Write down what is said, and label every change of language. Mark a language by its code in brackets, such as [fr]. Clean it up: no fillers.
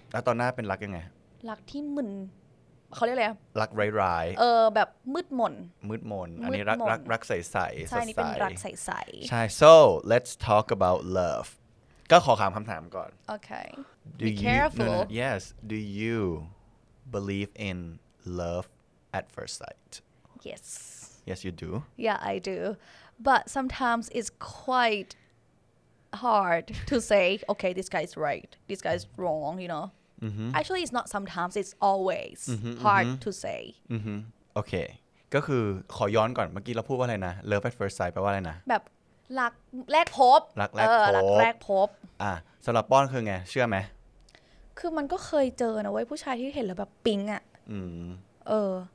[th] แล้วตอนหน้าเป็นรักยังไง รักที่มึนเขาเรียกอะไร รักไร้ไร้แบบมืดมน มืดมนอันนี้รักใสใส ใช่นี่เป็นรักใสใส ใช่ [en] so let's talk about love [th] ก็ขอคำถามก่อน [en] โอเค be careful yes do you believe in love at first sight yes yes you do yeah I do but sometimes it's quitehard to say okay this guy is right this guy is wrong you know mm-hmm. actually it's not sometimes it's always mm-hmm, hard mm-hmm. to say mm-hmm. [th] okay ก็คือขอย้อนก่อนเมื่อกี้เราพูดว่าอะไรนะ [en] love at first sight [th] แปลว่าอะไรนะ แบบรักแรกพบ รักแรกพบ รักแรกพบ สำหรับป้อนคือไงเชื่อไหม คือมันก็เคยเจอนะเว้ยผู้ชายที่เห็นแล้วแบบปิ๊งอ่ะ mm-hmm.